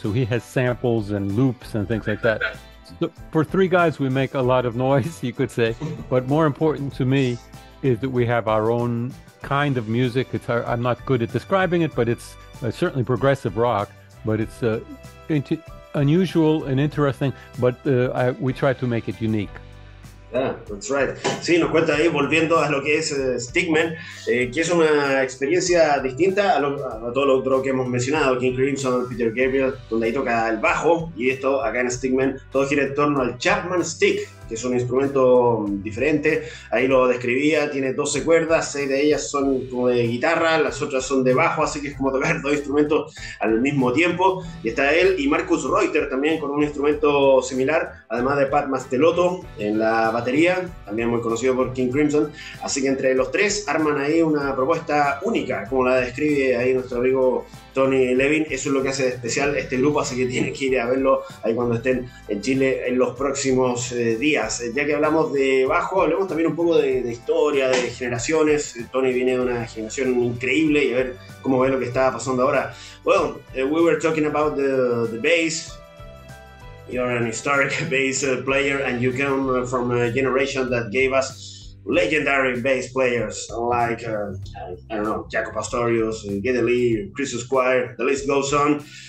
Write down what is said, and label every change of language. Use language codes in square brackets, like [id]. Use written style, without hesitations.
[en] So he has samples and loops and things like that. So for three guys, we make a lot of noise, you could say. But more important to me is that we have our own kind of music. I'm not good at describing it, but it's certainly progressive rock. But it's unusual and interesting, but we try to make it unique. Yeah, that's right. [es] Sí, nos cuenta ahí, volviendo a lo que es Stickman, que es una experiencia distinta a todo lo otro que hemos mencionado, King Crimson, Peter Gabriel, donde ahí toca el bajo, y esto acá en Stickman, todo gira en torno al Chapman Stick, que es un instrumento diferente. Ahí lo describía, tiene 12 cuerdas, 6 de ellas son como de guitarra, las otras son de bajo, así que es como tocar dos instrumentos al mismo tiempo. Y está él y Marcus Reuter también con un instrumento similar, además de Pat Mastellotto en la batería, también muy conocido por King Crimson. Así que entre los tres arman ahí una propuesta única, como la describe ahí nuestro amigo Tony Levin. Eso es lo que hace de especial este grupo, así que tienen que ir a verlo ahí cuando estén en Chile en los próximos días. Ya que hablamos de bajo, hablemos también un poco de historia, de generaciones. Tony viene de una generación increíble, y a ver cómo ve lo que está pasando ahora. Bueno, [en] we were talking about the bass. You're an historic bass player, and you come from a generation that gave us legendary bass players like, Jaco Pastorius, Geddy Lee, Chris Squire, the list goes on.